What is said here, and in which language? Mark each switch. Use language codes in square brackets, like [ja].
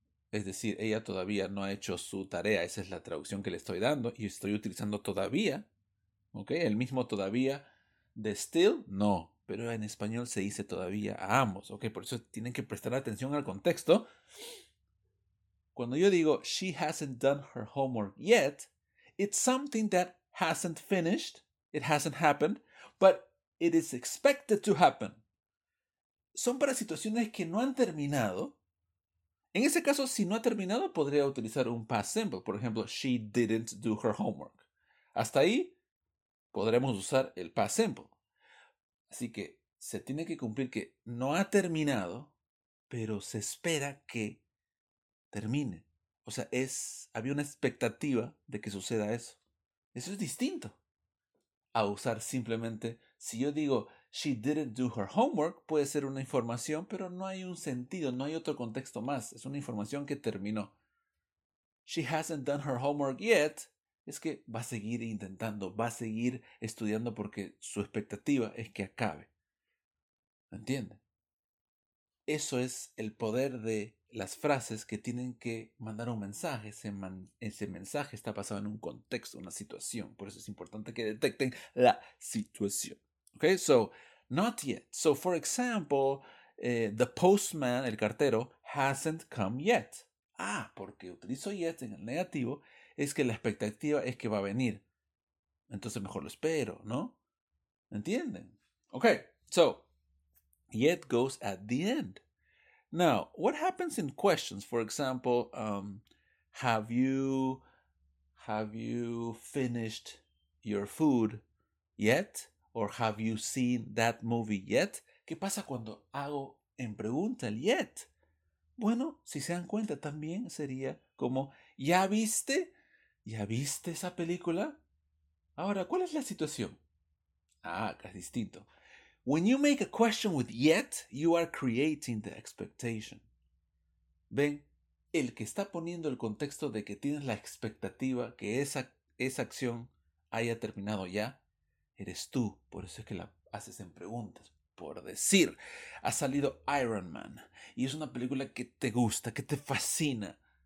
[es] Es decir, ella todavía no ha hecho su tarea. Esa es la traducción que le estoy dando. Y estoy utilizando todavía. ¿Ok? El mismo todavía de still, no. Pero en español se dice todavía a ambos. ¿Ok? Por eso tienen que prestar atención al contexto. Cuando yo digo, [en] she hasn't done her homework yet, it's something that hasn't finished. It hasn't happened, but it is expected to happen. [es] Son para situaciones que no han terminado. En ese caso, si no ha terminado, podría utilizar un past simple. Por ejemplo, [en] she didn't do her homework. [es] Hasta ahí, podremos usar el past simple. Así que se tiene que cumplir que no ha terminado, pero se espera que termine. O sea, había una expectativa de que suceda eso. Eso es distinto a usar simplemente, si yo digo, [en] she didn't do her homework, [es] puede ser una información, pero no hay un sentido, no hay otro contexto más. Es una información que terminó. [en] She hasn't done her homework yet. [es] Es que va a seguir intentando, va a seguir estudiando porque su expectativa es que acabe. ¿Me entiende? Eso es el poder de las frases que tienen que mandar un mensaje. Ese mensaje está basado en un contexto, una situación. Por eso es importante que detecten la situación. [en] Okay, so, not yet. So, for example, the postman, [es] el cartero, [en] hasn't come yet. [es] Ah, porque utilizo yet en el negativo, es que la expectativa es que va a venir. Entonces mejor lo espero, ¿no? ¿Entienden? [en] Okay, so, yet goes at the end. Now, what happens in questions? For example, have you finished your food yet? Or have you seen that movie yet? [es] ¿Qué pasa cuando hago en pregunta el yet? Bueno, si se dan cuenta, también sería como, ¿Ya viste esa película? Ahora, ¿cuál es la situación? Ah, acá es distinto. When you make a question with yet, you are creating the expectation. Ven, el que está poniendo el contexto de que tienes la expectativa que esa acción haya terminado ya, eres tú. Por eso es que la haces en preguntas. Por decir, ha salido Iron Man y es una película que te gusta, que te fascina.